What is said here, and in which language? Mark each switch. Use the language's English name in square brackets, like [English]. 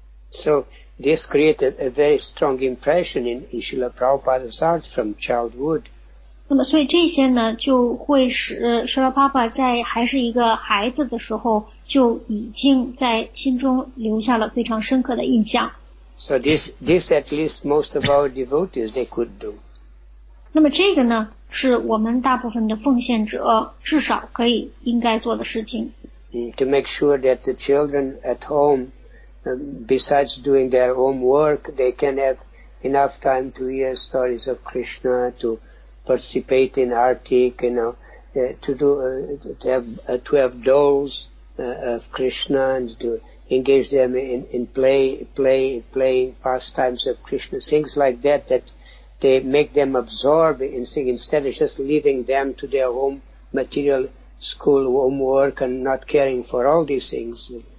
[English] So. This created a very strong impression in Srila Prabhupada's heart from childhood. [Chinese] 那么，所以这些呢，就会使 Srila Prabhupada 在还是一个孩子的时候，就已经在心中留下了非常深刻的印象。 [English] So this at least most of our devotees they could do. [Chinese] 那么这个呢，是我们大部分的奉献者至少可以应该做的事情。 [English] To make sure that the children at home. Besides doing their own work, they can have enough time to hear stories of Krishna, to participate in artik, you know, to have dolls of Krishna, and to engage them in playing pastimes of Krishna, things like that, that they make them absorb in things instead of just leaving them to their own material school homework and not caring for all these things.